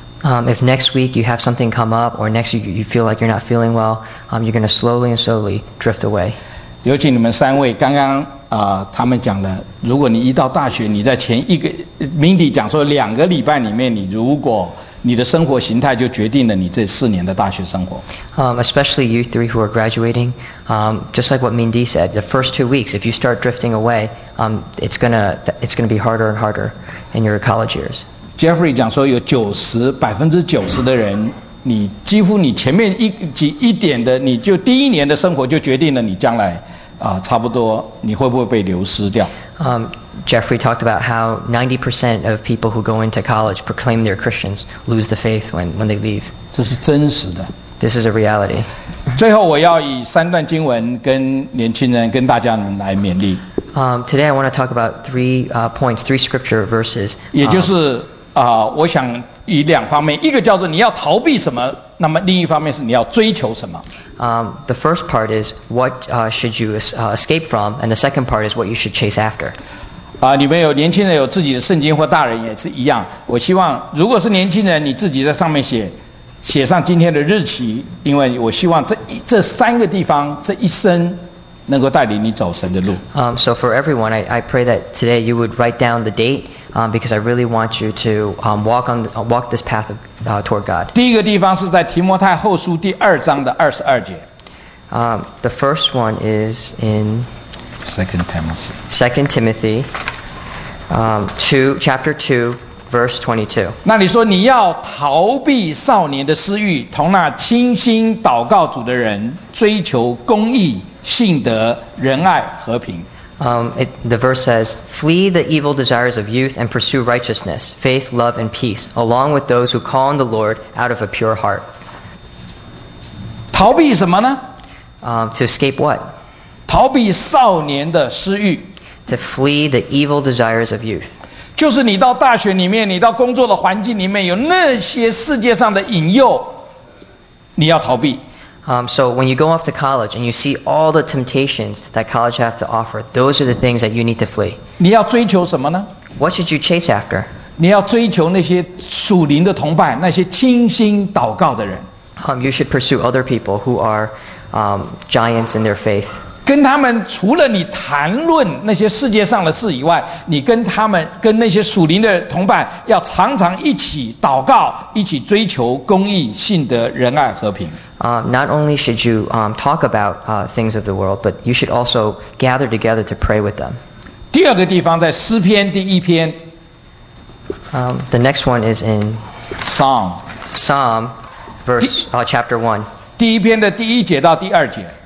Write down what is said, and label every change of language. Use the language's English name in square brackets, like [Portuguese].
[English] If next week you have something come up, or next week you feel like you're not feeling well, you're going to slowly and slowly drift away. [Chinese] 尤其你们三位刚刚他们讲了，如果你一到大学，你在前一个 Mindy 讲说两个礼拜里面，你如果你的生活形态就决定了你这四年的大学生活。 [English] Especially you three who are graduating, just like what Mindy said, the first 2 weeks, if you start drifting away, it's gonna be harder and harder in your college years. [Chinese] Jeffrey 讲说有90%的人，你几乎你前面一点的，你就第一年的生活就决定了你将来差不多你会不会被流失掉。 [English] Jeffrey talked about how 90% of people who go into college proclaim they're Christians lose the faith when they leave. [Chinese] 这是真实的。 [English] This is a reality. [Chinese] 最后我要以三段经文跟年轻人跟大家来勉励。 [English] Today I want to talk about three scripture verses. [Chinese] 也就是我想以两方面，一个叫做你要逃避什么，那么另一方面是你要追求什么。 [English] The first part is what should you escape from, and the second part is what you should chase after. [Chinese] 你们有年轻人有自己的圣经或大人也是一样。我希望如果是年轻人，你自己在上面写上今天的日期，因为我希望这三个地方这一生能够带领你走神的路。 [English] So for everyone, I pray that today you would write down the date, because I really want you to walk this path toward God. [Chinese] 第一个地方是在提摩太后书第二章的22节。 [English] The first one is in Second Timothy, chapter 2, verse 22. [Chinese] 那你说你要逃避少年的私欲，同那倾心祷告主的人追求公义、信德、仁爱、和平。 [English] The verse says, "Flee the evil desires of youth and pursue righteousness, faith, love, and peace, along with those who call on the Lord out of a pure heart." [Chinese] 逃避什么呢? [English] To escape what? [Chinese] 逃避少年的私欲. [English] To flee the evil desires of youth. [Chinese] 就是你到大学里面, 你到工作的环境里面, 有那些世界上的引诱, 你要逃避. [English] So when you go off to college and you see all the temptations that college have to offer, those are the things that you need to flee. [Chinese] 你要追求什么呢? [English] What should you chase after? [Chinese] 你要追求那些属灵的同伴, 那些清心祷告的人. [English] You should pursue other people who are giants in their faith. [Chinese] 跟他们除了你谈论那些世界上的事以外, 你跟他们, 跟那些属灵的同伴, 要常常一起祷告, 一起追求公义, 信德, 仁爱和平。 [English] Not only should you talk about things of the world, but you should also gather together to pray with them. [Chinese] 第二个地方在诗篇第一篇。 [English] The next one is in Psalm. Psalm, verse, chapter 1. [Chinese] 第一篇的第一节到第二节。